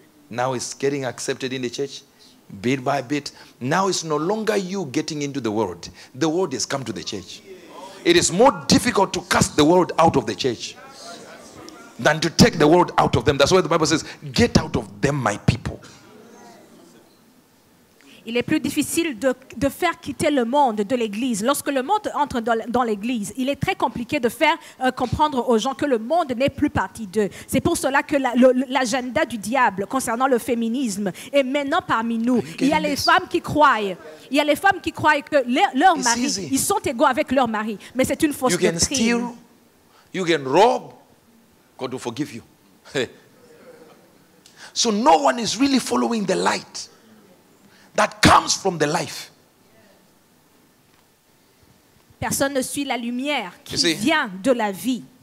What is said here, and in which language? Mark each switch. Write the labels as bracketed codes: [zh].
[en] Now it's getting accepted in the church, bit by bit. Now it's no longer you getting into the world. The world has come to the church. It is more difficult to cast the world out of the church than to take the world out of them. That's why the Bible says, get out of them, my people. [fr] Il est plus difficile de faire quitter le monde de l'église. Lorsque le monde entre dans l'église, il est très compliqué de faire comprendre aux gens que le monde n'est plus partie d'eux. C'est pour cela que l'agenda du diable concernant le féminisme est maintenant parmi nous. Il y a les femmes qui croient. Il y a les femmes qui croient que leur mari, ils sont égaux avec leur mari. Mais c'est une fausse doctrine. [en] You can steal, you can rob, God will forgive you. So no one is really following the light that comes from the life. [fr] Personne ne suit la lumière qui vient de la vie.